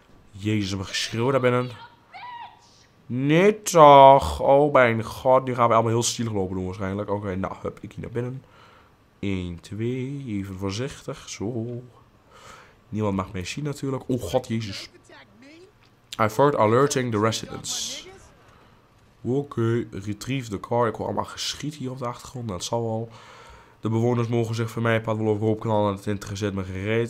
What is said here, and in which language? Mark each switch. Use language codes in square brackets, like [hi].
[nl] Jezus, mijn geschreeuw daar binnen. Nee toch. Oh, mijn god. Nu gaan we allemaal heel stil lopen doen waarschijnlijk. Oké, okay, nou, hup, ik hier naar binnen. 1, 2, even voorzichtig, zo. Niemand mag mij zien natuurlijk. Oh god, jezus. [en] I thought alerting the residents. [nl] Oké, okay. [en] Retrieve the car. [nl] Ik hoor allemaal geschiet hier op de achtergrond, dat zal wel. De bewoners mogen zich van mij een paar wel overhoop knallen. Het interesseert me gereed.